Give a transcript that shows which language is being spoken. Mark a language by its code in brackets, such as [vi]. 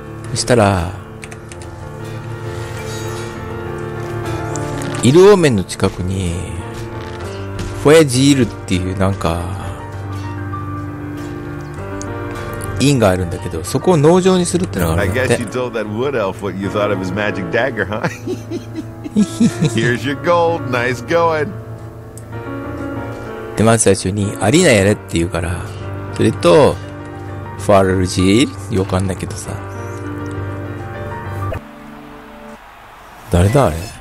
[ja] そしたら、イルオーメンの近くに、フォエジールっていうなんか、院があるんだけど、そこを農場にするってのがあるんだって。 [en] I guess you told that wood elf what you thought of his magic dagger, huh? Here's your gold, nice going! [ja] でまず最初にアリーナやれって言うから、それとファールジールよかんだけどさ、誰だあれ、